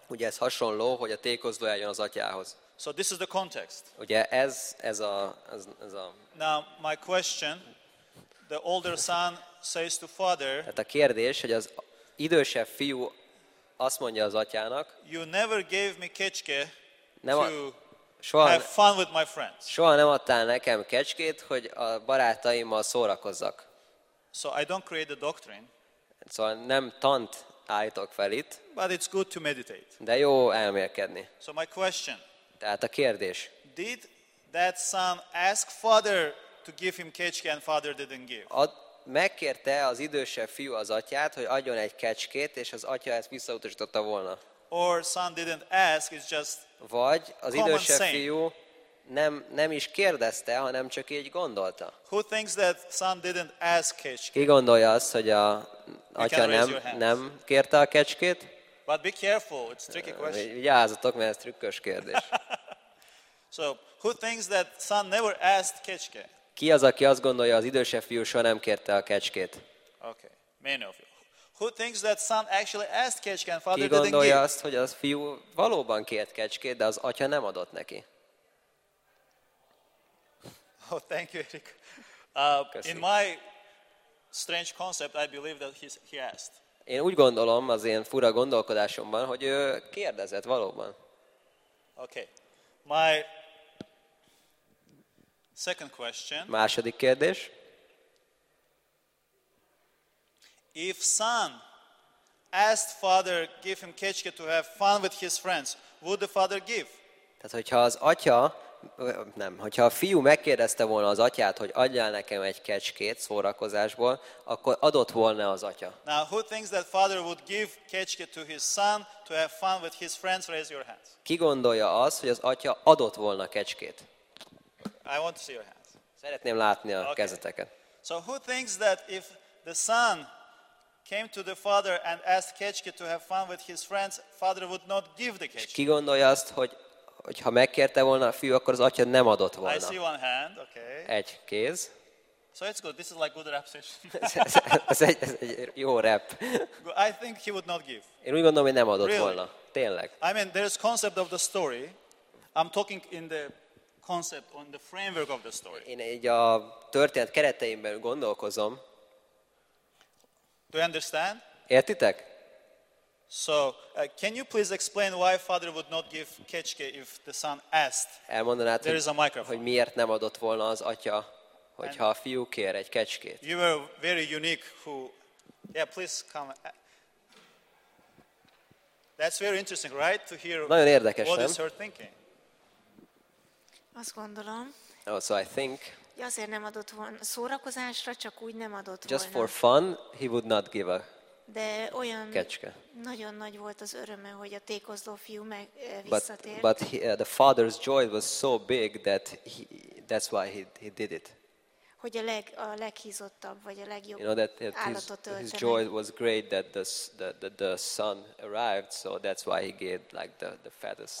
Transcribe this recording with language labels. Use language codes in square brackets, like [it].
[hu] Ugye ez hasonló, hogy a tékozló eljön az atyához. [en] So this is the context. [hu] Ugye ez a. [en] Now my question, the older son says to father. [hu] Hát a kérdés, hogy az idősebb fiú azt mondja az atyának. [en] You never gave me kecske to have fun with my friends. [hu] Soha nem adtál nekem kecskét, hogy a barátaimmal szórakozzak. [en] So I don't create the doctrine. [hu] Szóval nem tant állítok fel itt. [en] But it's good to meditate. [hu] De jó elmélkedni. [en] So my question. [hu] Tehát a kérdés. [en] Did that son ask father to give him kecske and father didn't give? [hu] Megkérte az idősebb fiú az atyát, hogy adjon egy kecskét, és az atya ezt visszautasította volna. [en] Or son didn't ask, it's just [hu] vagy az idősebb fiú nem is kérdezte, hanem csak így gondolta. [en] Who thinks that son didn't ask kecske? [hu] Ki gondolja azt, hogy a atya nem kérte a kecskét? [en] But be careful, it's a tricky question. [hu] Vigyázzatok, mert ez trükkös kérdés. [en] So, who thinks that son never asked kecske? [hu] Ki az, aki azt gondolja, az idősebb fiú soha nem kérte a kecskét? [en] Okay, many of you. Who thinks that son actually asked kecske and father didn't give? [hu] Ki gondolja azt, hogy az fiú valóban kért kecskét, de az atya nem adott neki? [en] Oh, thank you, Eric. [hu] Köszönjük. [en] In my strange concept, I believe that he asked. [hu] Én úgy gondolom, az én fura gondolkodásomban, hogy ő kérdezett valóban. [en] Okay. My second question. [hu] Második kérdés. [en] If son asked father give him kecske to have fun with his friends, would the father give? [hu] Tehát hogyha az atya nem, hogyha a fiú megkérdezte volna az atyát, hogy adjál nekem egy kecskét szórakozásból, akkor adott volna az atya. [en] Now who thinks that father would give kecske to his son to have fun with his friends? Raise your hands. [hu] Ki gondolja az, hogy az atya adott volna kecskét? [en] I want to see your hands. [hu] Szeretném látni a [en] okay. [hu] kezeteket. [en] So who thinks that if the son came to the father and asked kecske to have fun with his friends, father would not give the kecske? [hu] Ki gondolja azt, hogy ha megkérte volna a fiú, akkor az atya nem adott volna. [en] I see one hand, okay. [hu] Egy kéz. [en] So it's good. This is like good rap session. [hu] ez egy jó rap. [en] I think he would not give. [hu] Én úgy gondolom, hogy nem adott [en] really? [hu] Volna. Tényleg. [en] I mean, there is concept of the story. I'm talking in the concept, on the framework of the story. [hu] Én így a történet kereteimben gondolkozom. [en] Do you understand? [hu] Értitek? [en] So, can you please explain why father would not give kecske if the son asked? [hu] Elmondanád, [en] there is a microphone. [hu] Hogy miért nem adott volna az atya, hogyha a fiú kér egy kecskét? [en] You were very unique who... Yeah, please come. That's very interesting, right? To hear [hu] nagyon érdekes, [en] what [hu] nem? [en] Is her thinking. [hu] Azt gondolom. [en] Oh, so I think... [hu] Azért nem adott volna szórakozásra, csak úgy nem adott [en] just [hu] volna. [en] Just for fun, he would not give a... [hu] De olyan kecske. Nagyon nagy volt az öröme, hogy a tékozló fiú meg visszatért. [en] The father's joy was so big that that's why he did it. [hu] Hogy a leghízottabb vagy a legjobb [en] you know, that [hu] állatot ölte. [en] His joy was great that the son arrived, so that's why he gave like the fattest.